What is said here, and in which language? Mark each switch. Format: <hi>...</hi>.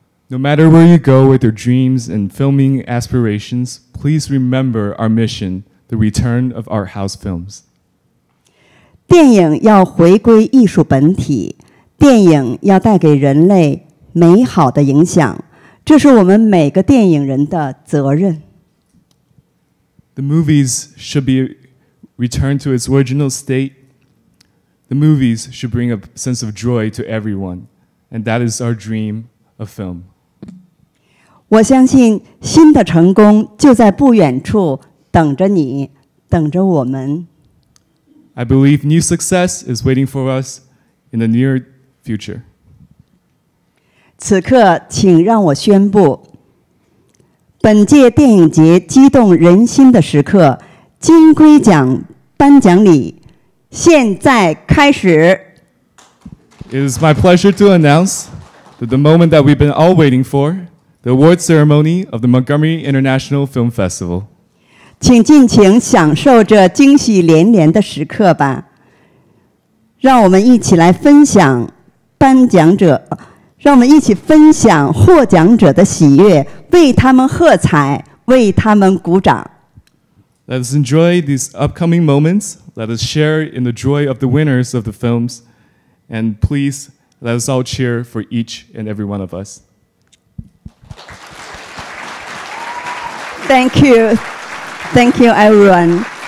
<en>No matter where you go with your dreams and filming aspirations, please remember our mission, the return of art house films.</en> <zh>电影要回归艺术本体，电影要带给人类美好的影响，这是我们每个电影人的责任。</zh> <en>The movies should be returned to its original state. The movies should bring a sense of joy to everyone. And that is our dream of film.</en> <zh>我相信新的成功就在不远处等着你，等着我们。</zh> <en>I believe new success is waiting for us in the near future.</en> <zh>此刻请让我宣布，本届电影节激动人心的时刻，金龟奖颁奖礼现在开始。</zh> <en>It is my pleasure to announce that the moment that we've been all waiting for, the award ceremony of the Montgomery International Film Festival.</en> <zh>请尽情享受这惊喜连连的时刻吧。让我们一起来分享颁奖者，让我们一起分享获奖者的喜悦，为他们喝彩，为他们鼓掌。</zh> <en>Let us enjoy these upcoming moments. Let us share in the joy of the winners of the films. And please, let us all cheer for each and every one of us. Thank you. Thank you, everyone.</en>